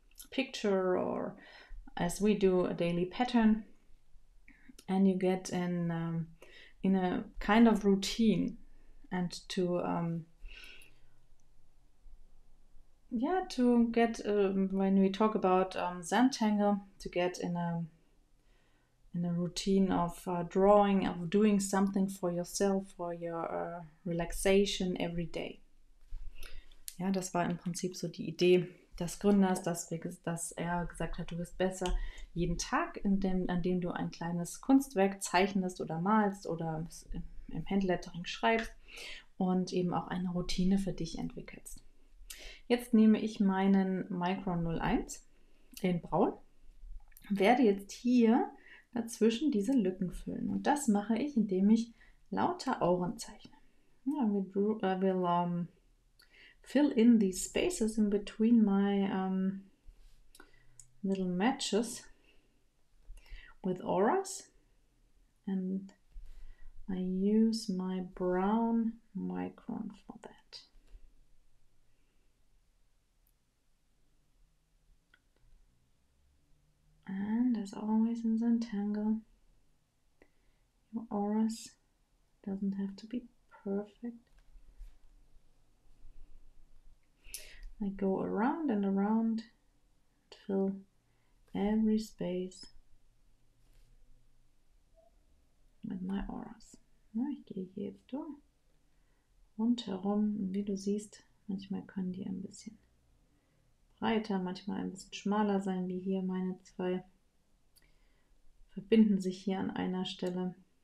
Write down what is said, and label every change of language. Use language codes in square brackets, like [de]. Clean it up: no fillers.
[en] picture, or as we do, a daily pattern, and you get in a kind of routine, and to get when we talk about Zentangle, to get in a routine of drawing, of doing something for yourself, for your relaxation every day. [de] Ja, das war im Prinzip so die Idee des Gründers, dass er gesagt hat, du wirst besser jeden Tag, an dem du ein kleines Kunstwerk zeichnest oder malst oder im Handlettering schreibst und eben auch eine Routine für dich entwickelst. Jetzt nehme ich meinen Micron 01 in Braun, werde jetzt hier dazwischen diese Lücken füllen. Und das mache ich, indem ich lauter Auren zeichne. [en] Ja, I will fill in these spaces in between my little matches with auras. And I use my brown Micron for that. And as always in Zentangle, your auras doesn't have to be perfect. I go around and around to fill every space with my auras. [de] Na, ich gehe hier jetzt durch, rundherum. Wie du siehst, manchmal können die ein bisschen breiter, manchmal ein bisschen schmaler sein, wie hier meine zwei verbinden sich hier an einer Stelle.